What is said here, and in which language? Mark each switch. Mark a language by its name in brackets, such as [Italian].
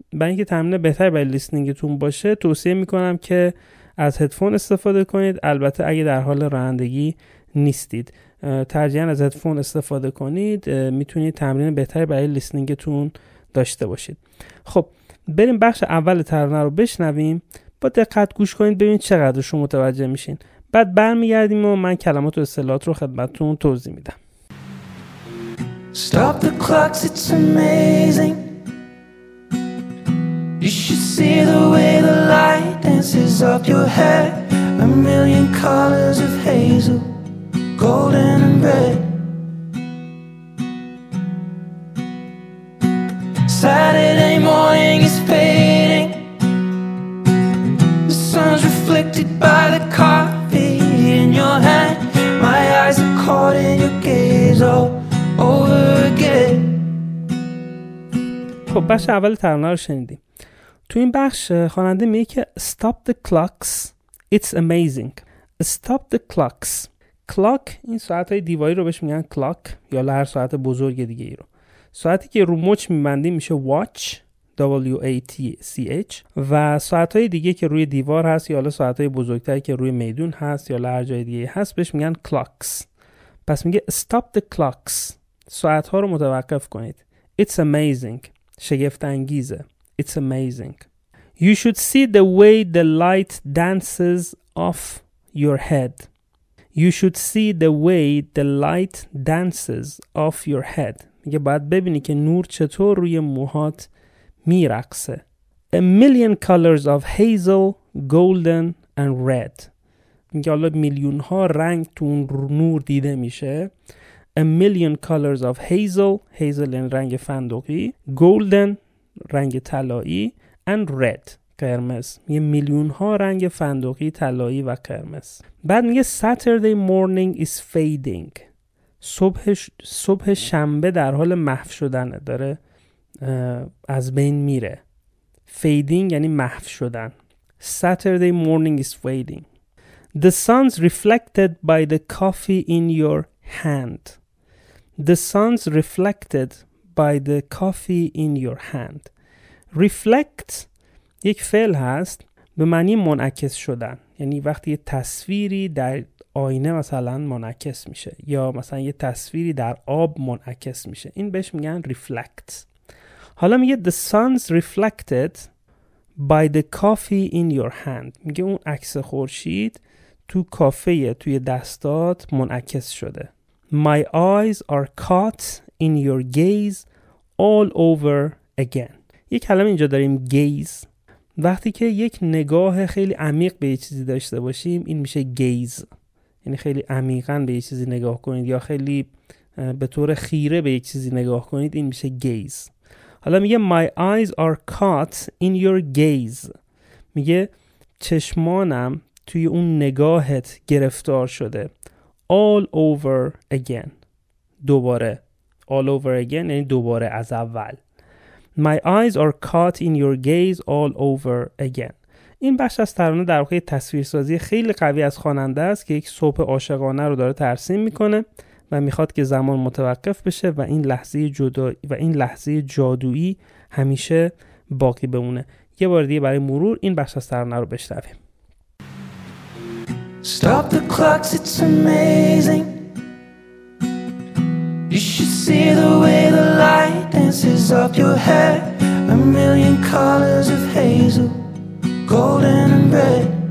[Persian] برای اینکه تمرین بهتر برای لیسنینگتون باشه توصیه میکنم که از هدفون استفاده کنید، البته اگه در حال رانندگی نیستید ترجیحاً از هدفون استفاده کنید، میتونید تمرین بهتری برای لیسنینگتون داشته باشید. خب بریم بخش اول ترانه رو بشنویم، با دقت گوش کنید ببینید چقدر شما متوجه میشین، بعد برمیگردیم و من کلمات و اصطلاحات رو خدمتتون توضیح میدم. [English] Stop the clocks, it's amazing. You should see the way the light dances up your hair. A million colors of hazel, golden and red. Saturday morning is fading. The sun's reflected by the coffee in your hand. My eyes are caught in your gaze all over again. [Persian] خب بخش اول ترانه رو شنیدیم. تو این بخش خواننده میگه که [English] Stop the clocks, it's amazing. Stop the clocks. [Persian] Clock این ساعت های دیواری رو بهش میگن clock یا لهر ساعت بزرگ دیگه ای رو. ساعتی که رو مچ میبندیم میشه watch, W-A-T-C-H. و ساعت های دیگه که روی دیوار هست یا حالا ساعت های بزرگتری که روی میدون هست یا لهر جای دیگه هست بهش میگن clocks. پس میگه [English] Stop the clocks. [Persian] ساعت ها رو متوقف کنید. [English] It's amazing. [Persian] شگفت انگیزه. It's amazing. [English] You should see the way the light dances off your head. You should see the way the light dances off your head. [Persian] میگه باید ببینی که نور چطور روی موهات میرقصه. [English] A million colors of hazel, golden and red. [Persian] میگه حالا میلیون ها رنگ تو نور دیده میشه. [English] A million colors of hazel. [Persian] Hazel یعنی رنگ فندقی. Golden رنگ طلایی. [English] And red قرمز. [Persian] یه میلیون ها رنگ فندقی، طلایی و قرمز. بعد میگه [English] Saturday morning is fading. [Persian] صبح شنبه در حال محو شدنه، داره از بین میره. Fading یعنی محو شدن. [English] Saturday morning is fading. The sun's reflected by the coffee in your hand. The sun's reflected by the coffee in your hand. [Persian] Reflect یک فعل هست به معنی منعکس شدن، یعنی وقتی یه تصویری در آینه مثلا منعکس میشه یا مثلا یه تصویری در آب منعکس میشه، این بهش میگن reflect. حالا میگه [English] the sun's reflected by the coffee in your hand. [Persian] میگه اون عکس خورشید تو کافه توی دستات منعکس شده. [English] My eyes are caught in your gaze all over again. [Persian] یک کلمه اینجا داریم gaze. وقتی که یک نگاه خیلی عمیق به یه چیزی داشته باشیم این میشه gaze. یعنی خیلی عمیقاً به یه چیزی نگاه کنید یا خیلی به طور خیره به یک چیزی نگاه کنید این میشه gaze. حالا میگه [English] My eyes are caught in your gaze. [Persian] میگه چشمانم توی اون نگاهت گرفتار شده. [English] All over again. دوباره. All over again [Persian] یعنی دوباره از اول. [English] My eyes are caught in your gaze all over again. [Persian] این بخش از ترانه در واقع تصویرسازی خیلی قوی از خواننده است که یک صبح عاشقانه رو داره ترسیم میکنه و میخواد که زمان متوقف بشه و این لحظه جدایی و این لحظه جادویی همیشه باقی بمونه. یه بار دیگه برای مرور این بخش از ترانه رو بشنویم. [English] Stop the clocks, it's amazing. You should see the way the light dances up your head. A million colors of hazel, golden and red.